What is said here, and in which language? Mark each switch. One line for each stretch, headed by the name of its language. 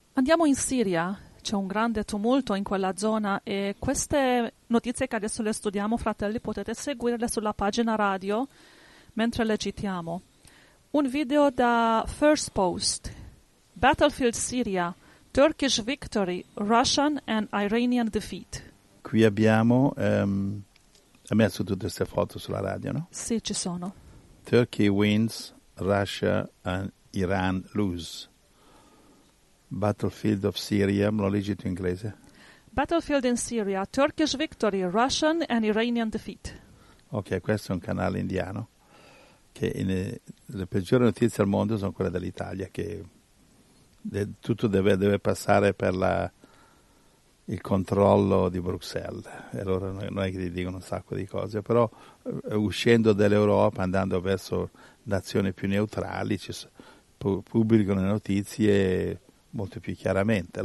Italian: andiamo in Siria, c'è un grande tumulto in quella zona e queste notizie che adesso le studiamo, fratelli, potete seguirle sulla pagina radio mentre le citiamo.
English: Un video da First Post: Battlefield Syria, Turkish victory, Russian and Iranian defeat.
Italian: Qui abbiamo, ha messo tutte queste foto sulla radio, no? Sì, ci sono.
English: Turkey wins, Russia and Iran lose.
Italian: Battlefield of Syria, me lo leggi tu in inglese?
English: Battlefield in Syria, Turkish victory, Russian and Iranian defeat.
Italian: Ok, questo è un canale indiano. Che in, le peggiori notizie al mondo sono quelle dell'Italia, che tutto deve passare per il controllo di Bruxelles. E allora non è che gli dicono un sacco di cose, però uscendo dall'Europa, andando verso nazioni più neutrali, pubblicano le notizie molto più chiaramente.